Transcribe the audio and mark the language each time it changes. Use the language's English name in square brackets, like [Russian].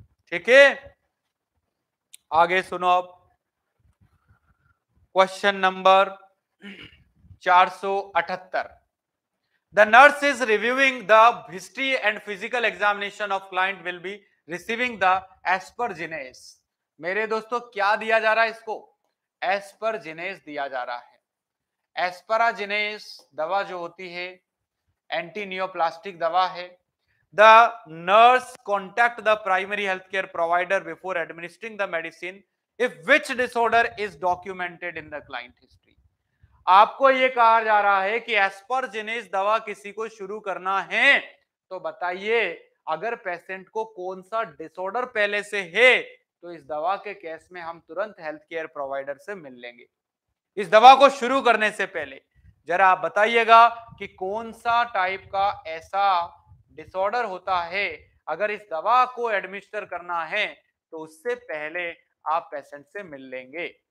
[Hindi] ठीक है, आगे सुनो। अब question number 478, [English] The nurse is reviewing the history and physical examination of client will be receiving the asparaginase. [Hindi] मेरे दोस्तों क्या दिया जा रहा है इसको? Asparaginase दिया जा रहा है। Asparaginase दवा जो होती है एंटी नियोप्लास्टिक दवा है। [English] The nurse contact the primary healthcare provider before administering the medicine if which disorder is documented in the client history. [Hindi] आपको ये कहा जा रहा है कि एस्परजिनेस दवा किसी को शुरू करना है तो बताइए अगर पेशेंट को कौन सा डिसऑर्डर पहले से है तो इस दवा के केस में हम तुरंत हेल्थ केयर प्रोवाइडर से मिल लेंगे। इस दवा को शुरू करने से पहले जरा आप बताइएगा कि कौन सा टाइप का ऐसा डिसऑर्डर होता है अगर इस दवा को एडमिनिस्टर करना है तो उससे पहले आप पेशेंट से मिल लेंगे।